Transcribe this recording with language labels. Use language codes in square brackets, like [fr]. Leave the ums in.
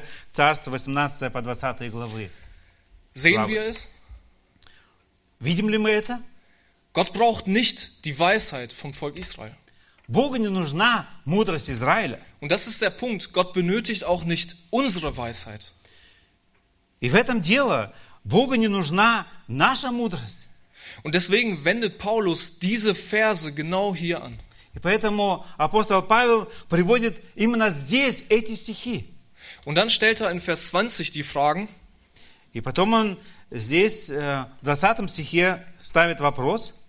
[ru] Царство, [de] -20 Sehen wir es? [ru] Видим ли мы это? [de] Gott braucht nicht die Weisheit vom Volk Israel. [ru] Богу не нужна мудрость Израиля. [de] Und das ist der Punkt. Gott benötigt auch nicht unsere Weisheit. [ru] И в этом дело Богу не нужна наша мудрость. [de] Und deswegen wendet Paulus diese Verse genau hier an. [ru] И поэтому апостол Павел приводит именно здесь эти стихи. [de] Und dann stellt er in Vers 20 die Fragen. [ru] И потом он здесь, в 20 стихе, ставит вопрос.